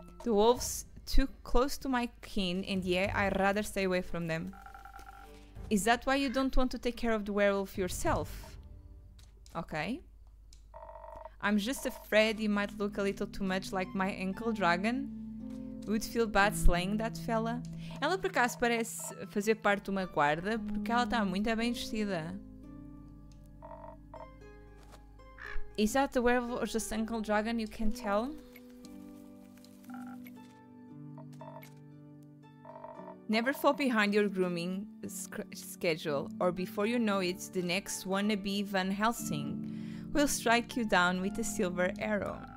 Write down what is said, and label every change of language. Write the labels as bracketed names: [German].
[English] The wolves too close to my kin, and yeah, I'd rather stay away from them. Is that why you don't want to take care of the werewolf yourself? Okay. I'm just afraid you might look a little too much like my ankle dragon. Would feel bad slaying that fella. [Portuguese] Ela por acaso parece fazer parte de uma guarda porque ela está muito bem vestida. [English] Is that the werewolf or just ankle dragon? You can tell. Never fall behind your grooming schedule or before you know it, the next wannabe Van Helsing will strike you down with a silver arrow.